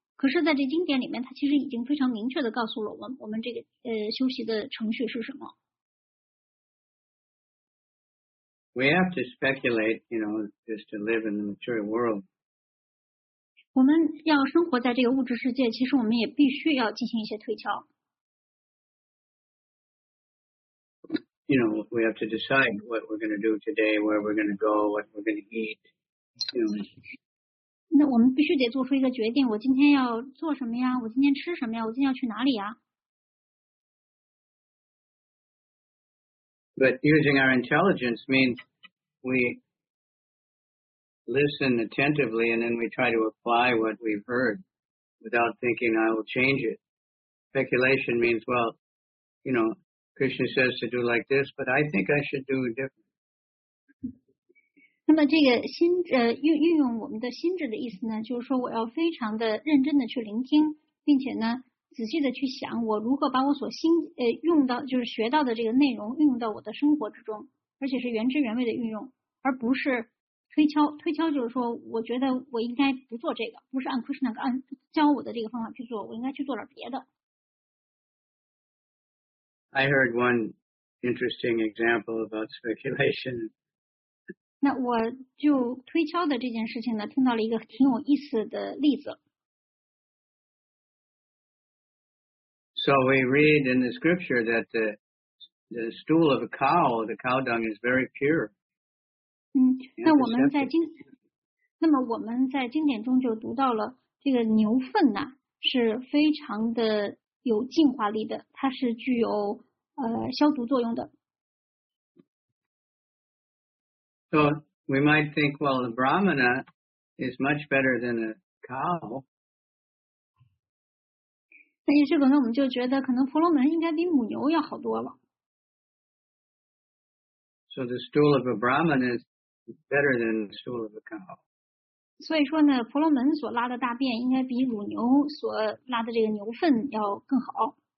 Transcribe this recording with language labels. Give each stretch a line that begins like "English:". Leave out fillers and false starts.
Chinese: 可是在这经典里面，它其实已经非常明确的告诉了我们这个休息的程序是什么。
English: We have to speculate, just to live in the material world.
Chinese: 我们要生活在这个物质世界，其实我们也必须要进行一些推敲。
English: We have to decide what we're going to do today, where we're going to go, what we're going to eat.
Chinese: 那我们必须得做出一个决定，我今天要做什么呀？我今天吃什么呀？我今天要去哪里呀？
English: But using our intelligence means we listen attentively and then we try to apply what we've heard without thinking I will change it. Speculation means, Krishna says to do like this, but I think I should do it different.
Chinese: 那么这个心运用我们的心智的意思呢，就是说我要非常的认真的去聆听，并且呢仔细的去想我如何把我所心用到就是学到的这个内容运用到我的生活之中，而且是原汁原味的运用，而不是推敲。推敲就是说我觉得我应该不做这个，不是按 Krishna 按教我的这个方法去做，我应该去做点别的。
English: I heard one interesting example about speculation.
Chinese: 那我就推敲的这件事情呢，听到了一个挺有意思的例子。
English: So we read in the scripture that the stool of a cow, the cow dung is very pure.
Chinese: 那我们在经，那么我们在经典中就读到了这个牛粪呢，是非常的有净化力的，它是具有消毒作用的。
English: So we might think, well, the Brahmana is much better than a cow.
Chinese: 那也许可能我们就觉得，可能婆罗门应该比母牛要好多了。
English: So the stool of a Brahmana is better than the stool of a cow.
Chinese: 所以说呢，婆罗门所拉的大便应该比乳牛所拉的这个牛粪要更好。